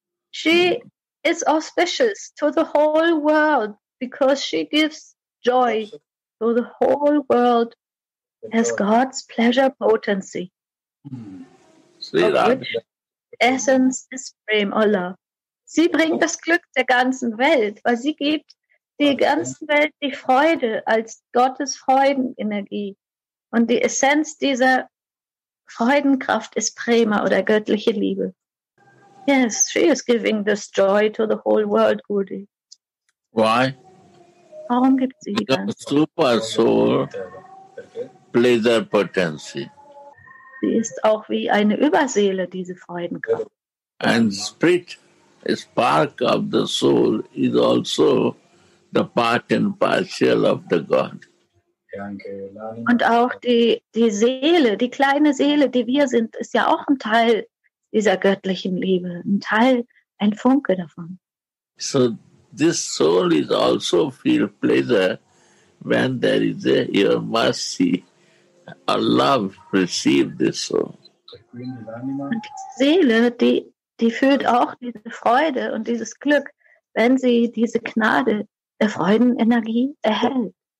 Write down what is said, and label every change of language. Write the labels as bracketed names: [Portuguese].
[English] She is auspicious to the whole world because she gives joy to the whole world as God's pleasure potency. Which essence is frame or love. [German] Sie bringt das Glück der ganzen Welt, weil sie gibt der ganzen Welt die Freude als Gottes Freudenenergie. Und die Essenz dieser Freudenkraft ist Prema oder göttliche Liebe. [English] Yes, she is giving this joy to the whole world, Guru. Why? [German] Warum gibt sie die ganze [English] Welt? Super Soul, pleasure potency. [German] Sie ist auch wie eine Überseele, diese Freudenkraft. [English] And Spirit. A spark of the soul is also the part and parcel of the God. [German] Und auch die Seele, die kleine Seele, die wir sind, ist ja auch ein Teil dieser göttlichen Liebe, ein Teil, ein Funke davon. [English] So this soul is also feel pleasure when there is a, your mercy, a love receive this soul. [German] Und die Seele, die fühlt auch diese Freude und dieses Glück, wenn sie diese Gnade der Freudenenergie erhält.